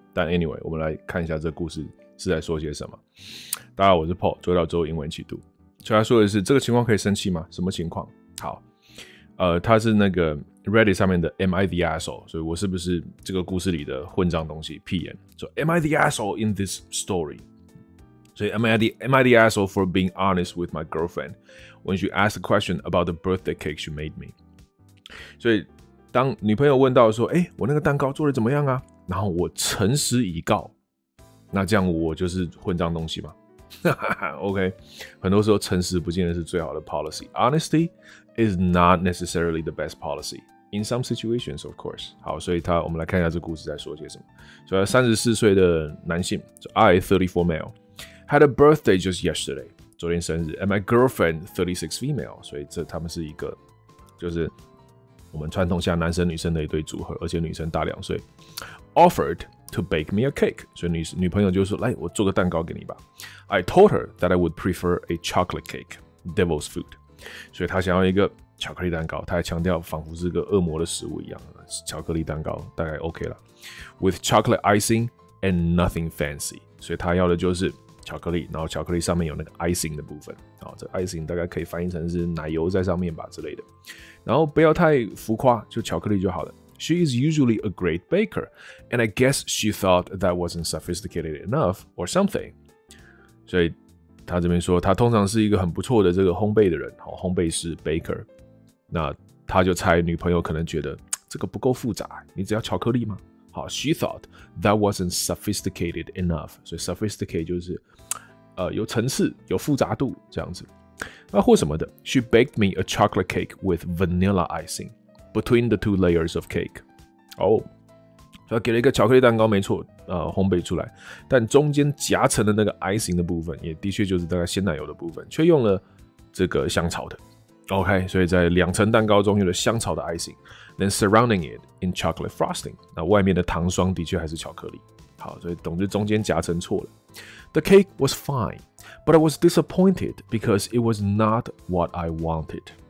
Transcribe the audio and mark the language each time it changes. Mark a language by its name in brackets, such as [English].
[Chinese] 但 anyway， 我们来看一下这故事是在说些什么。大家好，我是 Paul， 周一到周五英文起读。所以他说的是这个情况可以生气吗？什么情况？好，他是那个 Reddit 上面的 Am I the asshole？所以我是不是这个故事里的混账东西？屁眼。 [English] So Am I the asshole in this story？所以 Am I the asshole for being honest with my girlfriend？ When she asked a question about the birthday cake she made me， [Chinese] 所以当女朋友问到说：“哎，我那个蛋糕做的怎么样啊？” 然后我诚实以告，那这样我就是混账东西嘛。 OK， 很多时候诚实不见得是最好的 policy。 [English] Honesty is not necessarily the best policy in some situations, of course。 [Chinese] 好，所以他我们来看一下这故事在说些什么。所以34岁的男性 [English] ，I 34 male had a birthday just yesterday。 [Chinese] 昨天生日 ， [English] and my girlfriend 36 female， [Chinese] 所以这他们是一个，就是我们传统下男生女生的一对组合，而且女生大2岁 ， [English] offered to bake me a cake， [Chinese] 所以女朋友就说来我做个蛋糕给你吧 ， [English] I told her that I would prefer a chocolate cake， devil's food， [Chinese] 所以她想要一个巧克力蛋糕，她还强调仿佛是个恶魔的食物一样，巧克力蛋糕大概 OK 了 ， [English] with chocolate icing and nothing fancy， [Chinese] 所以她要的就是。巧克力，然后巧克力上面有那个 icing 的部分，哦，这 icing 大概可以翻译成是奶油在上面吧之类的，然后不要太浮夸，就巧克力就好了。 [English] She is usually a great baker, and I guess she thought that wasn't sophisticated enough or something. [Chinese] 所以他这边说，他通常是一个很不错的这个烘焙的人，哦，烘焙师 baker， 那他就猜女朋友可能觉得这个不够复杂，你只要巧克力吗？ [English] 好 ，She thought that wasn't sophisticated enough. [Chinese] 所以 sophisticated 就是，有层次、有复杂度这样子。那或什么的 [English] ，She baked me a chocolate cake with vanilla icing between the two layers of cake. [Chinese] 哦，她给了一个巧克力蛋糕，没错，烘焙出来，但中间夹层的那个 icing 的部分，也的确就是大概鲜奶油的部分，却用了这个香草的。 OK， 所以在两层蛋糕中有了香草的 icing。 [English] Then surrounding it in chocolate frosting. [Chinese] 那外面的糖霜的确还是巧克力。好，所以总之中间夹层错了。 [English] The cake was fine, but I was disappointed because it was not what I wanted.